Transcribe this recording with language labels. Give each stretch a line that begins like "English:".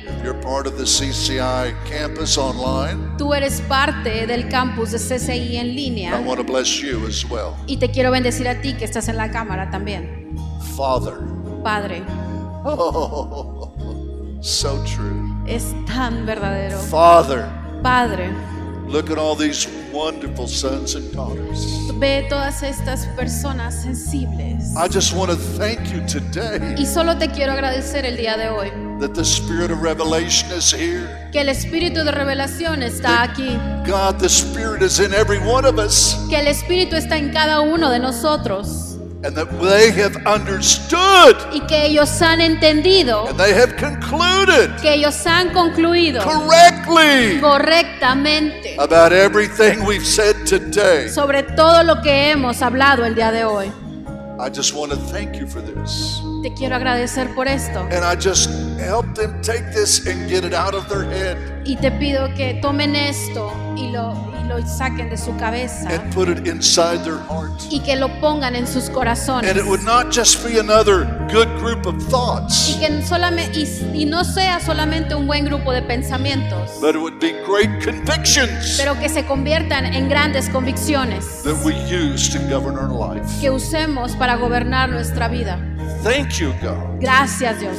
English: If you're part of the CCI campus online.
Spanish: Tú eres parte del campus de CCI en línea.
English: I want to bless you as well.
Spanish: Y te quiero bendecir a ti que estás en la cámara también.
English: Father.
Spanish: Padre.
English: Oh, so true.
Spanish: Es tan verdadero.
English: Father.
Spanish: Padre.
English: Look at all these wonderful sons and daughters.
Spanish: Ve todas estas personas sensibles.
English: I just want to thank you today.
Spanish: Y solo te quiero agradecer el día de hoy.
English: That the spirit of revelation is here.
Spanish: Que el espíritu de revelación está aquí.
English: God, the spirit is in every one of us.
Spanish: Que el espíritu está en cada uno de nosotros.
English: And that they have understood.
Spanish: Y que ellos han entendido.
English: And they have concluded.
Spanish: Que ellos han concluido.
English: Correctly.
Spanish: Correctamente.
English: About everything we've said today.
Spanish: Sobre todo lo que hemos hablado el día de hoy.
English: I just want to thank you for this.
Spanish: Te quiero agradecer por esto.
English: And I just help them take this and get it out of their head.
Spanish: Y te pido que tomen esto y lo saquen de su cabeza.
English: And put it inside their heart.
Spanish: Y que lo pongan en sus corazones.
English: And it would not just be another good group of thoughts.
Spanish: Y que y no sea solamente un buen grupo de pensamientos.
English: But it would be great convictions.
Spanish: Pero que se conviertan en grandes convicciones.
English: That we use to govern our life.
Spanish: Que usemos para gobernar nuestra vida.
English: Thank you, God.
Spanish: Gracias, Dios.